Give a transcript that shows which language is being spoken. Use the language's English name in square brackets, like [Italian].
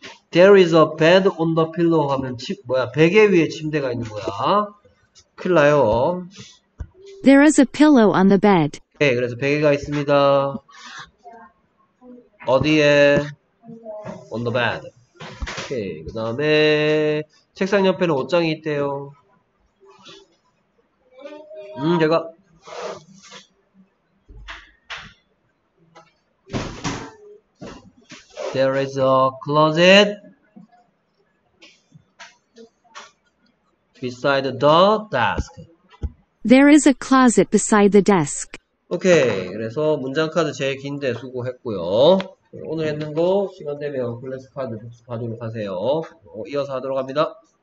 [English] There is a bed on the pillow [Korean] 하면 침, 뭐야, 베개 위에 침대가 있는 거야. 큰일 나요. [English] There is a pillow on the bed. [Korean] 네, 그래서 베개가 있습니다. 어디에? [English] On the bed. [Korean] 오케이, 그 다음에 책상 옆에는 옷장이 있대요. 제가 [English] There is a closet beside the desk. There is a closet beside the desk. [Korean] 오케이. 그래서 문장 카드 제일 긴데 수고했고요. 오늘 했는 거 시간 되면 클래스 카드 복습하도록 하세요. 이어서 하도록 합니다.